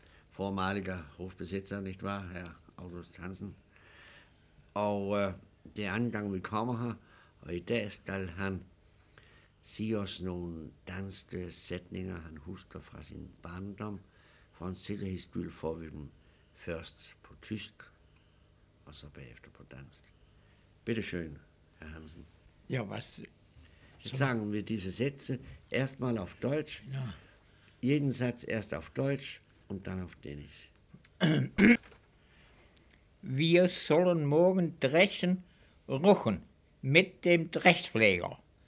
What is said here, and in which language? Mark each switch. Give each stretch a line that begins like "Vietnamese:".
German: Formaliger hofbesitzer, nicht wahr, herr August Hansen?
Danish: Og det er anden gang, vi kommer her, og i dag skal han sige os nogle danske sætninger, han husker fra sin barndom. For en sikkerheds skyld får vi dem først på tysk, og så bagefter på dansk.
German: Bitte schön, herr Hansen. Ja, was? Jetzt sagen wir diese Sätze erstmal auf Deutsch. Ja. Jeden Satz erst auf Deutsch und dann auf Dänisch. Wir sollen morgen dreschen, ruchen mit dem Dreschpfleger.